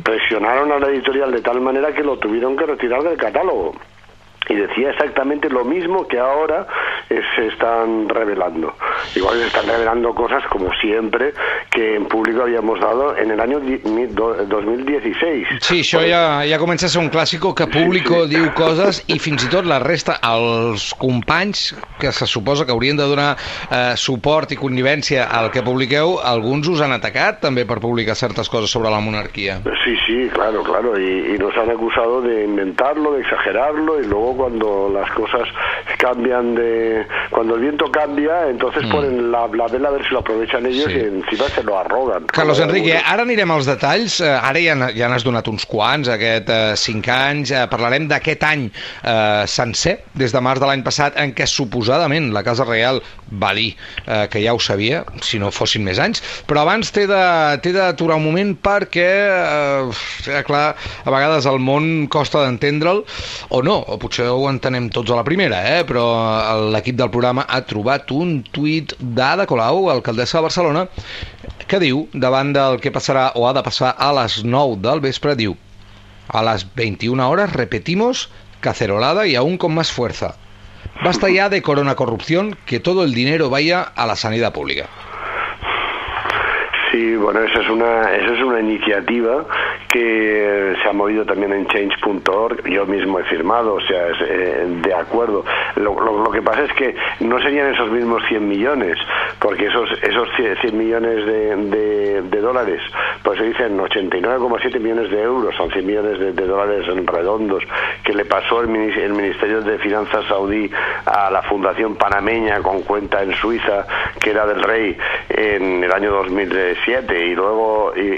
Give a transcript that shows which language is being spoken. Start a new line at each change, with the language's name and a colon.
Spanish: presionaron a la editorial de tal manera que lo tuvieron que retirar del catálogo, y decía exactamente lo mismo que ahora se están revelando. Igual se están revelando cosas, como siempre, que en público habíamos dado en el año 2016.
Catalan: Sí, això ja comença a ser un clàssico, que público, sí, sí, diu coses, i fins i tot la resta, els companys que se suposa que haurien de donar suport i connivència al que publiqueu, alguns us han atacat també per publicar certes coses sobre la monarquia.
Spanish: Sí, sí, claro, y nos han acusado de inventarlo, de exagerarlo, y luego cuando las cosas cambian cuando el viento cambia, entonces ponen la vela a ver si lo aprovechan ellos, sí, y encima se lo arrogan.
Catalan: Carlos Enrique, ara anirem als detalls. Ara ja n'has donat uns quants, aquest 5 anys. Parlarem d'aquest any sencer, des de març de l'any passat, en què suposadament la Casa Real va dir que ja ho sabia, si no fossin més anys. Però abans t'he d'aturar un moment, perquè clar, a vegades el món costa d'entendre'l, o no, o potser ho entenem tots a la primera, però l'equip del programa ha trobat un tuit d'Ada Colau, alcaldessa de Barcelona, que diu, davant del que passarà o ha de passar a les 9 del vespre, diu: a les 21 hores repetimos cacerolada y aún con más fuerza.
Spanish: Basta ya de corona corrupción, que todo el dinero vaya a la sanidad pública. Sí, bueno, esa es una iniciativa que se ha movido también en change.org. Yo mismo he firmado, o sea, es de acuerdo. Lo que pasa es que no serían esos mismos 100 millones, porque esos 100 millones de dólares, pues se dicen 89,7 millones de euros, son 100 millones de dólares en redondos, que le pasó el Ministerio de Finanzas saudí a la Fundación Panameña con cuenta en Suiza, que era del rey, en el año 2007, y luego